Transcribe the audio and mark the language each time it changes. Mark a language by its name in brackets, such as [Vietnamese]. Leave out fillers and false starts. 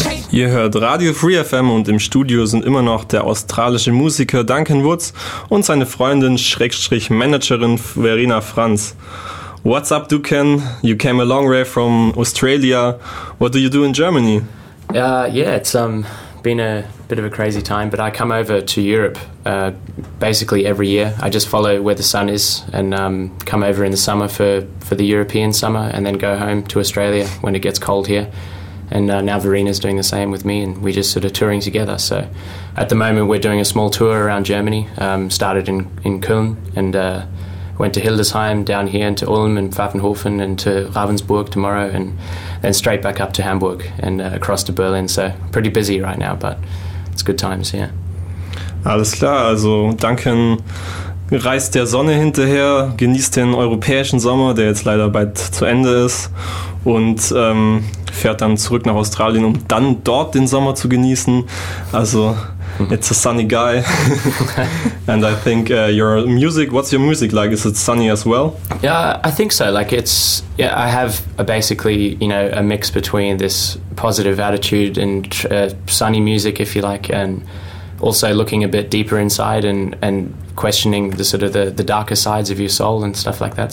[German] Ihr hört Radio Free FM und im Studio sind immer noch der australische Musiker Duncan Woods und seine Freundin / Managerin Verena Franz. [English] What's up, Duncan? You came a long way from Australia. What do you do in Germany? It's been a bit of a crazy time, but I come over to Europe basically every year. I just follow where the sun is and come over in the summer for the European summer and then go home to Australia when it gets cold here. And now Verena's doing the same with me, and we're just sort of touring together. So at the moment we're doing a small tour around Germany, started in Köln and went to Hildesheim down here and to Ulm and Pfaffenhofen and to Ravensburg tomorrow and then straight back up to Hamburg and across to Berlin. So pretty busy right now, but it's good times, yeah. [German] Alles klar, also Duncan reist der Sonne hinterher, genießt den europäischen Sommer, der jetzt leider bald zu Ende ist, und fährt dann zurück nach Australien, um dann dort den Sommer zu genießen. [English] Also, it's a sunny guy. And I think what's your music like? Is it sunny as well? Yeah, I think so. I have a mix between this positive attitude and sunny music, if you like, and also looking a bit deeper inside and questioning the sort of the darker sides of your soul and stuff like that.